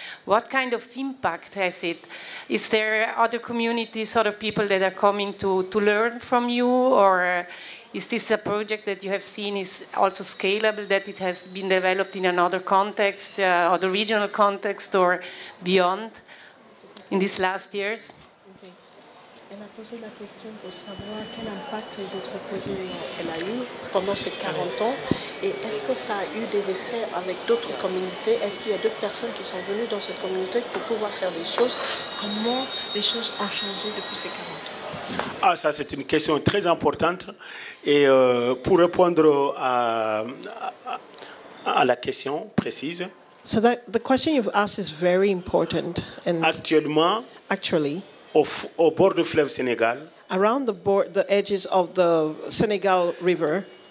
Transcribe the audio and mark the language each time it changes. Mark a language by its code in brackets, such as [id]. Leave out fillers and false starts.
[en] What kind of impact has it? Is there other communities, other people that are coming to learn from you? Or is this a project that you have seen is also scalable, that it has been developed in another context, other regional context or beyond in these last years? [fr] Elle a posé la question pour savoir quel impact les autres projets elle a eu pendant ces 40 ans et est-ce que ça a eu des effets avec d'autres communautés? Est-ce qu'il y a d'autres personnes qui sont venues dans cette communauté pour pouvoir faire des choses? Comment les choses ont changé depuis ces 40 ans? Ah, ça c'est une question très importante et pour répondre à la question précise. [en] So that the question you've asked is very important. And [fr] actuellement. [en] Actually. [fr] Au bord du fleuve Sénégal, [en] around the board, the edges of the Senegal River,